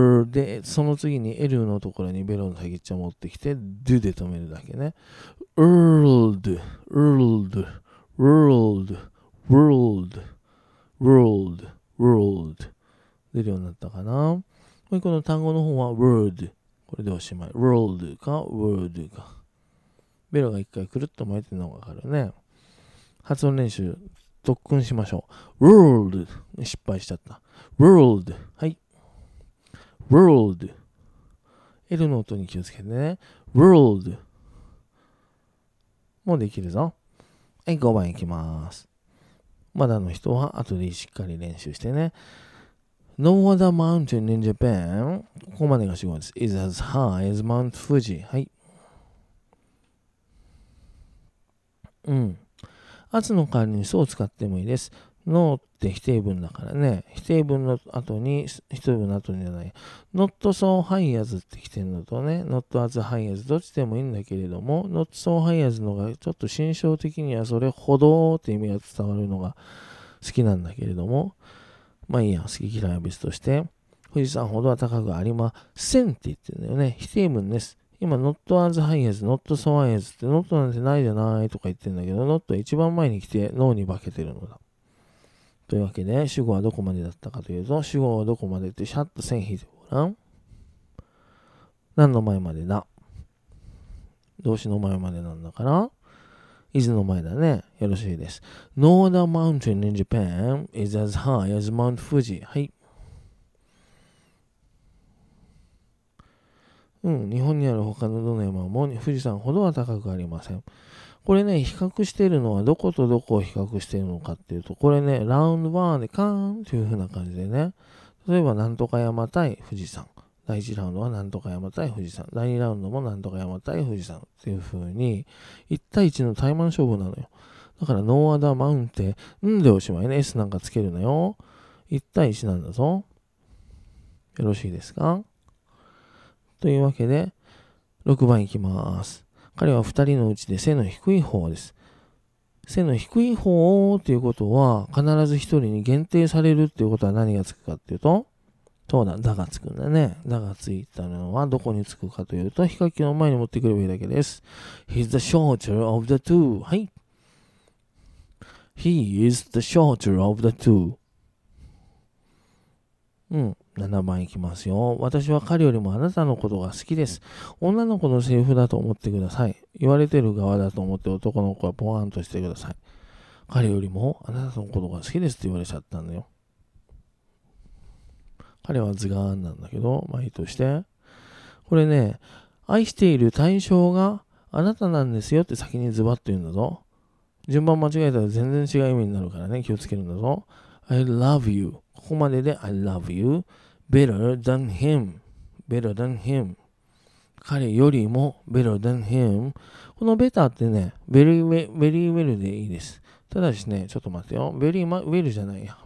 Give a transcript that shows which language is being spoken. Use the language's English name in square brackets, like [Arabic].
[Japanese] で、その次に L のところにベロの先っちょ持ってきて、ドゥで止めるだけね。 [English] World, world, world, world, world, world。 [Japanese] 出るようになったかな。もう一個の単語の方は word。これでおしまい。 world か word か。ベロが一回くるっと巻いてるのがわかるね。発音練習。特訓しましょう。World 失敗しちゃった。 World はい。 World L の音に気をつけてね。 World もうできるぞ。はい、5番いきます。まだの人は後でしっかり練習してね。 [English] No other mountain in Japan、 [Japanese] ここまでが仕事です。 [English] Is as high as Mount Fuji。 [Japanese] はい、うん、圧の代わりにそう使ってもいいです。 No って否定文だからね。否定文の後に、否定文の後にじゃない。 [English] Not so high as [Japanese] って来てるのとね。 [English] Not as high as [Japanese] どっちでもいいんだけれども、Not so high as のがちょっと心象的にはそれほどって意味が伝わるのが好きなんだけれども。まあいいや、好き嫌いは別として。富士山ほどは高くありませんって言ってるんだよね。否定文です。今、 [English] not as high as, not so high as [Japanese] って、not なんてないじゃないとか言ってるんだけど、not は一番前に来て、no に化けてるのだ。というわけで、主語はどこまでだったかというと、主語はどこまでって、シャッと線引いてごらん。何の前までだ。動詞の前までなんだから、is の前だね。よろしいです。 [English] No other mountain in Japan is as high as Mount Fuji. [Japanese] はい。うん、日本にある他のどの山も富士山ほどは高くありません。これね、比較しているのはどことどこを比較しているのかっていうと、これね、ラウンドワンでカーンというふうな感じでね、例えばなんとか山対富士山、第一ラウンドはなんとか山対富士山、第二ラウンドもなんとか山対富士山っていうふうに、1対1の対マン勝負なのよ。だから、ノーアダーマウンテンでおしまいね、S なんかつけるなよ。 1対1なんだぞ。よろしいですか。というわけで、6番いきます。彼は2人のうちで背の低い方です。背の低い方ということは、必ず1人に限定されるっていうことは何がつくかっていうと、そうだ、だがつくんだね。だがついたのはどこにつくかというと、比較機の前に持ってくればいいだけです。 [English] He's the shorter of the two. [Japanese] はい。 [English] He is the shorter of the two. [Japanese] うん。7番いきますよ。私は彼よりもあなたのことが好きです。女の子のセリフだと思ってください。言われてる側だと思って男の子はポワンとしてください。彼よりもあなたのことが好きですって言われちゃったんだよ。彼はズガーンなんだけど、まあいいとして。これね、愛している対象があなたなんですよって先にズバッと言うんだぞ。順番間違えたら全然違う意味になるからね、気をつけるんだぞ。 [English] I love you. [Japanese] ここまでで [English] I love you. Better than him. Better than him. [Japanese] 彼よりも [English] Better than him. [Japanese] この better ってね、very well でいいです。ただしね、ちょっと待ってよ。very well じゃないや。